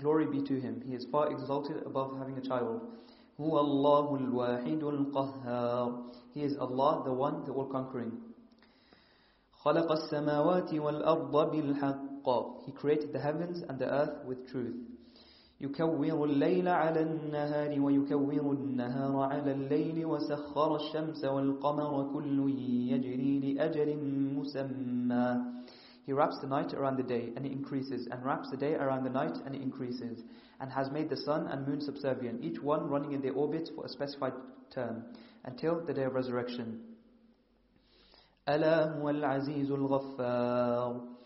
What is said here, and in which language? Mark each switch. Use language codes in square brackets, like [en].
[en] glory be to Him, He is far exalted above having a child. [ar] هُوَ اللَّهُ الْوَاحِدُ الْقَهَّارُ. [en] He is Allah, the One, the All-Conquering. [ar] خَلَقَ السَّمَاوَاتِ وَالْأَرْضَ بِالْحَقَّ. [en] He created the heavens and the earth with truth. [ar] يكور الليل على النهار ويكور النهار على الليل وسخر الشمس والقمر كل يجري لأجل مسمى. [en] He wraps the night around the day and it increases, and wraps the day around the night and it increases, and has made the sun and moon subservient, each one running in their orbit for a specified term, until the day of resurrection. [ar] ألا هو العزيز الغفار.